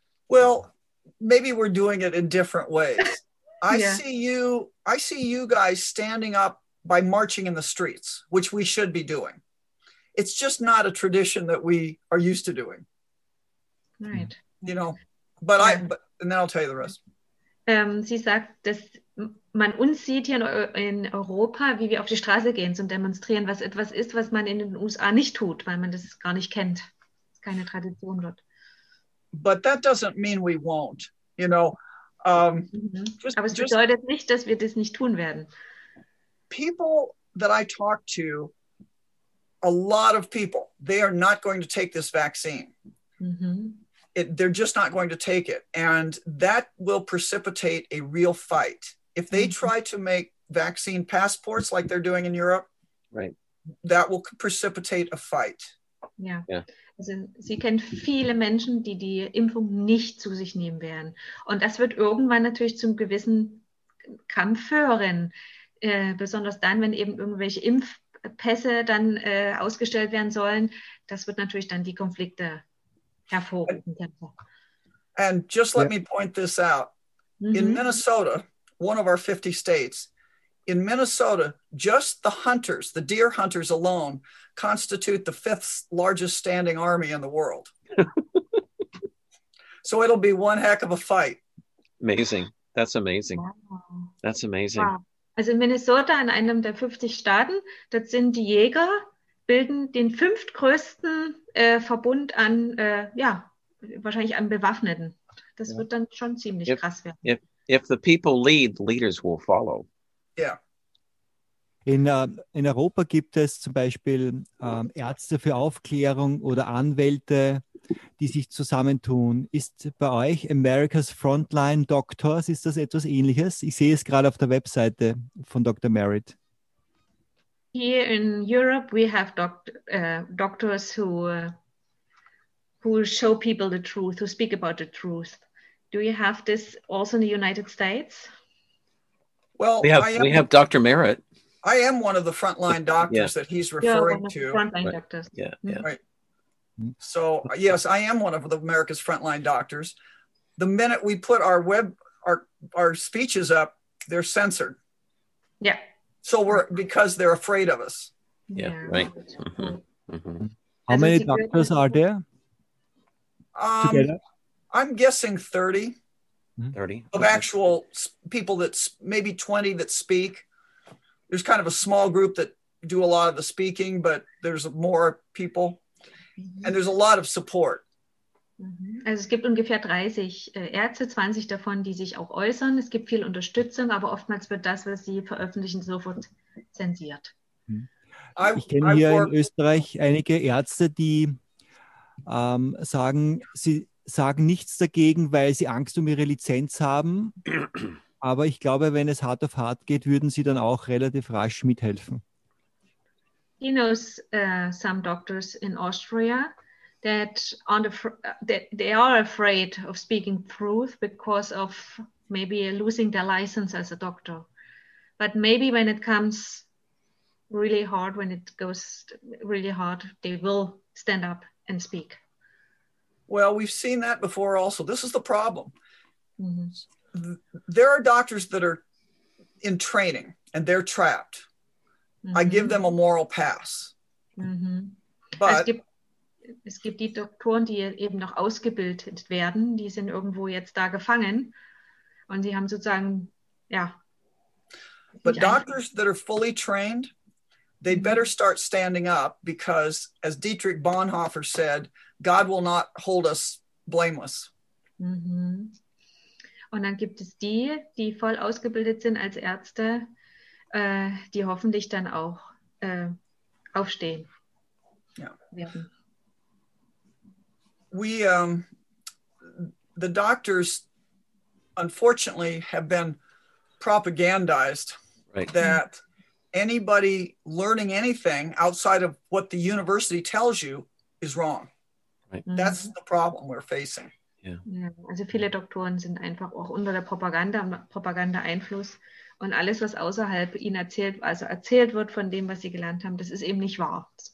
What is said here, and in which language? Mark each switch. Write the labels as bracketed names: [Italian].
[English] Well, maybe we're doing it in different ways. I see you guys standing up by marching in the streets, which we should be doing. It's just not a tradition that we are used to doing. Right. You know, and then I'll tell you the rest. [German] Sie sagt, dass man uns sieht hier in Europa, wie wir auf die Straße gehen zum Demonstrieren, was etwas ist, was man in den USA nicht tut, weil man das gar nicht kennt. Es ist keine Tradition dort. [English] But that doesn't mean we won't, you know. [German] Aber es bedeutet nicht, dass wir das nicht tun werden. [English] People that I talk to, a lot of people, they are not going to take this vaccine. Mm-hmm. They're just not going to take it. And that will precipitate a real fight. If they try to make vaccine passports like they're doing in Europe, that will precipitate a fight. [German] Also sie kennt viele Menschen, die die Impfung nicht zu sich nehmen werden. Und das wird irgendwann natürlich zum gewissen Kampf führen. Besonders dann, wenn eben irgendwelche Impfpässe dann ausgestellt werden sollen, das wird natürlich dann die Konflikte hervorrufen. [English] And just let me point this out. Mm-hmm. In Minnesota, one of our 50 states, in Minnesota, just the hunters, the deer hunters alone, constitute the fifth largest standing army in the world. So it'll be one heck of a fight. Amazing. That's amazing. Wow. That's amazing. Wow. [German] Also in Minnesota, in einem der 50 Staaten, das sind die Jäger, bilden den fünftgrößten Verbund an, wahrscheinlich an Bewaffneten. Das wird dann schon ziemlich krass werden. [English] If the people lead, the leaders will follow. Yeah. [German] In Europa gibt es zum Beispiel Ärzte für Aufklärung oder Anwälte, die sich zusammentun. Ist bei euch America's Frontline Doctors, ist das etwas Ähnliches? Ich sehe es gerade auf der Webseite von Dr. Merritt. [English] Here in Europe, we have doctors who show people the truth, who speak about the truth. Do you have this also in the United States? Well, we have Dr. Merritt. I am one of the frontline doctors that he's referring to. Right. Yeah, frontline doctors. Yeah, right. So, yes, I am one of the America's frontline doctors. The minute we put our speeches up, they're censored. Yeah. So because they're afraid of us. Yeah, right. Mm-hmm. How many doctors are there? I'm guessing 30. 30 of actual people, that's maybe 20 that speak. There's kind of a small group that do a lot of the speaking, but there's more people, and there's a lot of support. [German] Also es gibt ungefähr 30 Ärzte, 20 davon, die sich auch äußern. Es gibt viel Unterstützung, aber oftmals wird das, was sie veröffentlichen, sofort zensiert. Ich kenne hier in Österreich einige Ärzte, die sagen nichts dagegen, weil sie Angst um ihre Lizenz haben. Aber ich glaube, wenn es hart auf hart geht, würden sie dann auch relativ rasch mithelfen. [English] He knows some doctors in Austria that they are afraid of speaking truth because of maybe losing their license as a doctor. But maybe when it comes really hard, when it goes really hard, they will stand up and speak. Well, we've seen that before also. This is the problem. Mm-hmm. There are doctors that are in training and they're trapped. Mm-hmm. I give them a moral pass. Mm-hmm. But [German] es gibt die Doktoren, die eben noch ausgebildet werden. Die sind irgendwo jetzt da gefangen. Und sie haben sozusagen, ja. [English] But doctors that are fully trained, they better start standing up because, as Dietrich Bonhoeffer said, God will not hold us blameless. Mm-hmm. [German] Und dann gibt es die, die voll ausgebildet sind als Ärzte, die hoffentlich dann auch aufstehen. [English] Yeah. The doctors, unfortunately, have been propagandized that anybody learning anything outside of what the university tells you is wrong. Right. That's the problem we're facing. Yeah. [German] Also viele Doktoren sind einfach auch unter der Propaganda Einfluss, und alles, was außerhalb ihnen erzählt, also erzählt wird von dem, was sie gelernt haben, das ist eben nicht wahr.